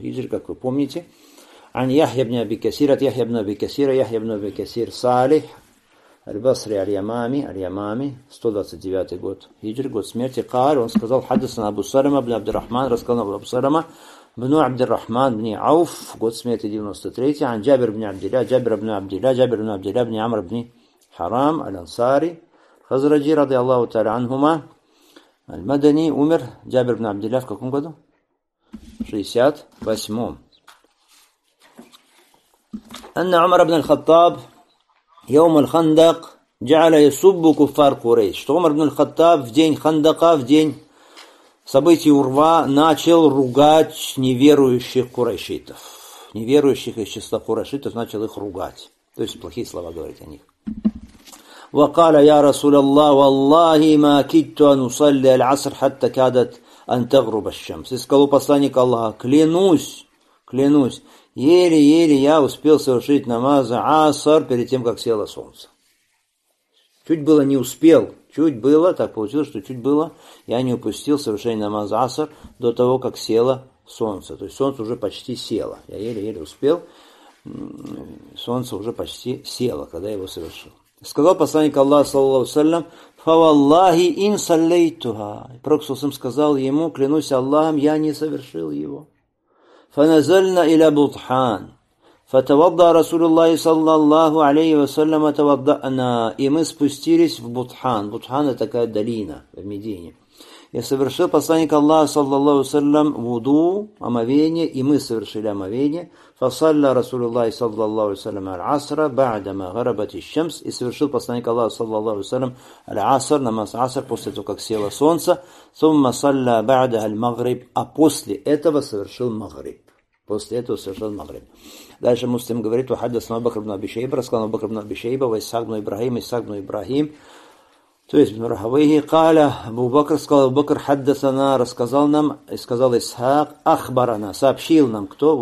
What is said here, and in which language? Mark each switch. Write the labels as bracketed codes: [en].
[ru] Хиджр, как вы помните, ан Яхья бин Аби Касир, от Яхья бин Аби Касира, Яхья бин Аби Касир, Салих, Аль-Басри Аль-Ямами, 129 год, хиджр, год смерти, Каар, он сказал, [ar] хаддасана [ru] Абу Салама, бни Абдур-Рахман, рассказал нам Абу Салама, бну Абдур-Рахман, бни Ауф, год смерти, 93-й, ан Джабир бни Абдилля, Джабир бни Абдилля, Джабир бни Абдилля, бни Амр бни Харам, Аль-Ансари, Хазраджи, [ar] ради Аллаху Та'ля Анхума, [ru] Аль-Мадани, умер, Джабир бни Абдилля, в каком году? 68-м. Анна [ar] Умар бни Аль-Хаттаб, يوم الخندق جعل يسب كفار قريش. [ru] Что Умар ибн аль-Хаттаб в день Хандака, в день событий Урва, начал ругать неверующих курайшитов. Неверующих из числа курайшитов начал их ругать. То есть плохие слова говорить о них. [ar] وقال يا رسول الله والله ما كدت أن أصلي العصر حتى كادت أن تغرب الشمس. [ru] И сказал посланник Аллаха, клянусь, еле-еле я успел совершить намаз асар перед тем, как село солнце. Чуть было не успел, чуть было, так получилось, что чуть было, я не упустил совершение намаз асар до того, как село солнце. То есть солнце уже почти село, я еле-еле успел, солнце уже почти село, когда я его совершил. Сказал посланник Аллаха, саллаллаху салям, [ar] фаваллахи ин саллейтуха. [ru] Пророк саллаллаху салям сказал ему, клянусь Аллахом, я не совершил его. [ar] فنزلنا إلى بطحان فتوضأ رسول الله صلى الله عليه وسلم توضأنا [ru] и мы спустились в Бутхан. Бутхан это такая долина в Медине. И совершил посланник Аллаха [ar] صلى الله عليه وسلم [ru] вуду, омовение, и мы совершили омовение. [ar] فصلى رسول الله صلى الله عليه وسلم العصر بعدما غربت الشمس [ru] и совершил посланник Аллаха [ar] صلى الله عليه وسلم العصر, [ru] намаз аср, после того, как село солнце. [ar] ثم صلى بعدها المغرب, [ru] а после этого совершил магриб. После этого совершил магриб. Дальше Муслим говорит, [ar] وحدثنا بكر بن أبي شيبة, [ru] рассказал нам بكر بن أبي شيبة, وإسحاق بن إبراهيم, إسحاق بن إبراهيم, то есть бин Рахавихи, [ar] каля Абу Бакр, [ru] сказал Абу Бакр, [ar] хаддасана, [ru] рассказал нам, и сказал Исхак, [ar] ахбарана, [ru] сообщил нам, кто?